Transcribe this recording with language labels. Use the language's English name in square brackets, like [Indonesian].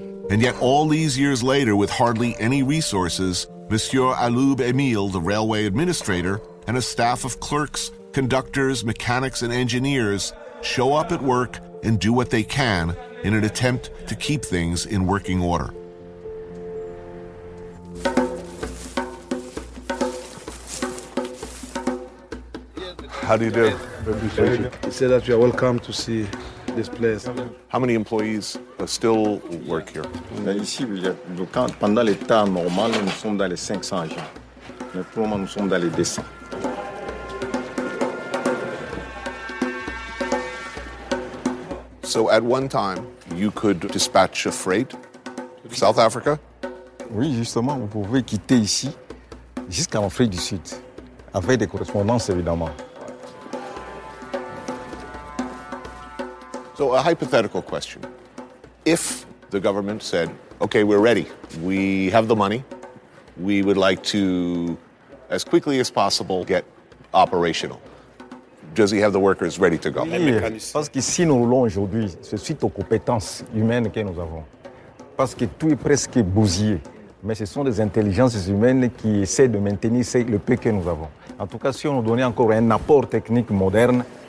[English] And yet all these years later, with hardly any resources, Monsieur Aloub Emile, the railway administrator, and a staff of clerks, conductors, mechanics, and engineers show up at work and do what they can in an attempt to keep things in working order. How do you do? He said that you are welcome to see this place. How many employees still work here? [French] Ici, pendant l'état normal, nous sommes dans les 500 gens. Mais pour le moment, nous sommes dans les 200. [English] So at one time, you could dispatch a freight, South Africa? [French] Oui, justement, vous pouvez quitter ici jusqu'à l'Afrique du Sud, avec des correspondances, évidemment. [English] So a hypothetical question. If the government said, okay, we're ready, we have the money, we would like to, as quickly as possible, get operational. Does he have the workers ready to go? [French] Parce que si nous voulons aujourd'hui, c'est suite aux compétences humaines que nous avons. Parce que tout est presque bousillé. Mais ce sont des intelligences humaines qui essaient de maintenir le peu que nous avons. En tout cas, si on nous donnait encore un apport technique moderne,